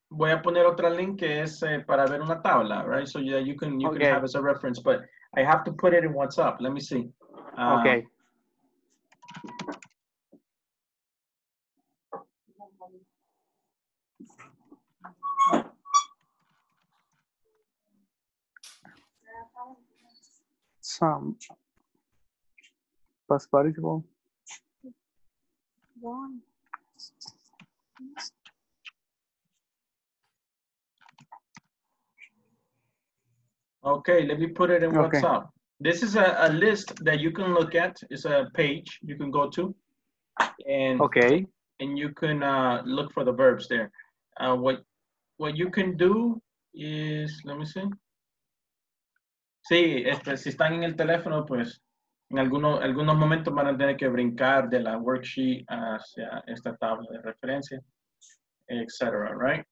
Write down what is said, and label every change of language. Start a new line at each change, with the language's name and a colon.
Spanish: Voy a poner otra link que es para ver una tabla, right?
English: So yeah, you can have as a reference, but I have to put it in WhatsApp. Let me see. Okay. Some past participle. One. Okay, let me put it in WhatsApp. Okay. This is a list that you can look at. It's a page you can go to. And okay. And you can look for the verbs there. What you can do is, let me see.
Spanish: Sí, si están en el teléfono, pues, en algunos momentos van a tener que brincar de la worksheet hacia esta tabla de referencia, etc., right?